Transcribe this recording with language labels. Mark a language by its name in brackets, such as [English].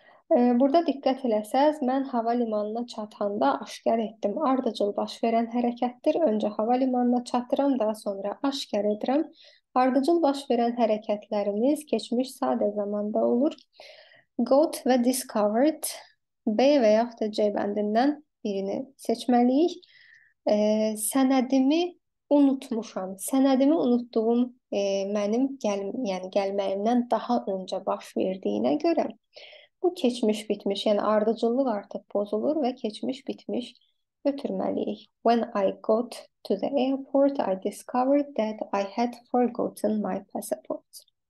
[Azerbaijani] Burada diqqət eləsəz, mən hava limanına çatanda aşkar etdim. Ardıcıl baş verən hərəkətdir. Öncə hava limanına çatıram, daha sonra aşkar edirəm. Ardıcıl baş verən hərəkətlərimiz keçmiş sadə zamanda olur. Got və discovered B və yaxud da C bəndindən birini seçməliyik. Sənədimi unutmuşam. Sənədimi unutduğum mənim gəlməyimdən daha öncə baş verdiyinə görə bu keçmiş bitmiş, yəni ardıcıllıq artıq pozulur və keçmiş bitmiş götürməliyik. [English] When I got to the airport, I discovered that I had forgotten my passport.